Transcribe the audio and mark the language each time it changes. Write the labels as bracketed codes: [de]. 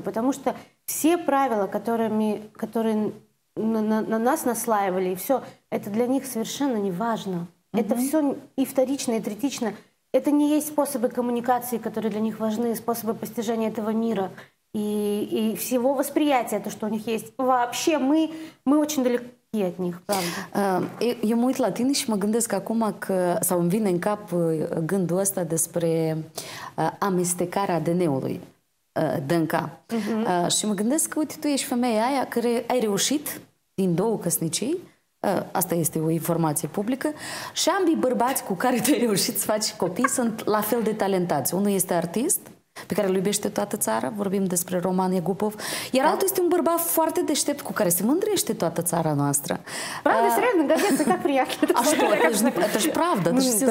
[ru] Потому что все правила, которые на нас наслаивали, и все, это для них совершенно не важно. Угу. Это все и вторично, и третично. Это не есть способы коммуникации, которые для них важны, способы постижения этого мира и всего восприятия, то, что у них есть. Вообще мы очень далеко. От них, правда. [ro] Eu mă uit la tine și mă gândesc acum că, sau îmi vine în cap gândul ăsta despre amestecarea ADN-ului DNA. Și mă gândesc că, uite, tu ești femeia aia care ai reușit din două căsnicii, asta este o informație publică, și ambii bărbați cu care tu ai reușit să faci copii sunt la fel de talentați. Unul este artist, pe care îl iubește toată țara, vorbim despre Roman Iagupov, iar altul este un bărbat foarte deștept, cu care se mândrește toată țara noastră. [ru] Правда, серьезно, газета, как приятно. А что, это ж правда, ты же все знаешь.